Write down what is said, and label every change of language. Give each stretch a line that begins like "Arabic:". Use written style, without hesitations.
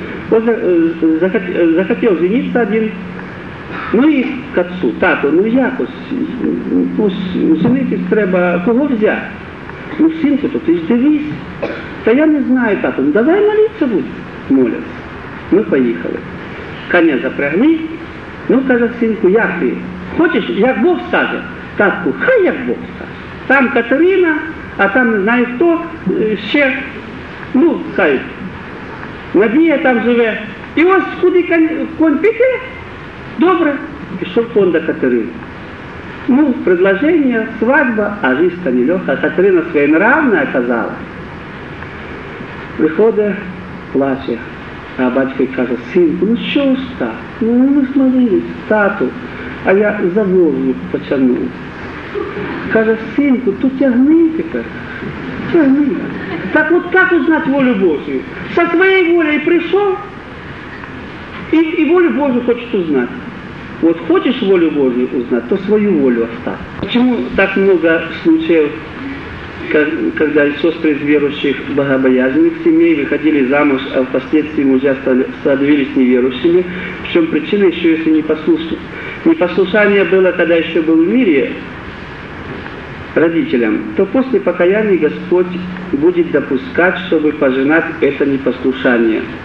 Russian: Вот захотел жениться один, ну и к отцу,
Ukrainian: тату, ну якось, ну жениться треба,
Russian: кого взять? Ну сын тут,
Ukrainian: ты ж дивись.
Russian: Та я не знаю, тату, ну давай молиться будем, молятся. Мы поехали. Коня запрягли, ну
Ukrainian: каже синку, як ты? Хочешь, як Бог скаже, татку, хай як Бог скаже. Там Катерина, а там не знаю хто ще, ну, хай, Надія там живе. І ось куди конь піде, добре. Пішов конь до Катерини. Ну,
Russian: предложення, свадьба, а жизнь-то не легка.
Ukrainian: Катерина своєнравна казала. Виходить, плаче. А батько каже, синку, ну що ж так? Ну ви смолились, тату, а я за Волгу потягнув. Каже, синку, то тягни тепер, тягни. Так от як узнати волю Божу? Со своєю волею прийшов і волю Божу хочеш узнати. От хочеш волю Божу узнати, то свою волю остав. Чому так багато випадків?
Russian: Когда сестры из верующих богобоязненных семей выходили замуж, а впоследствии мужья становились неверующими. В чем причина, еще если не послушать. Непослушание было, когда еще был в мире родителям, то после покаяния Господь будет допускать, чтобы пожинать это непослушание.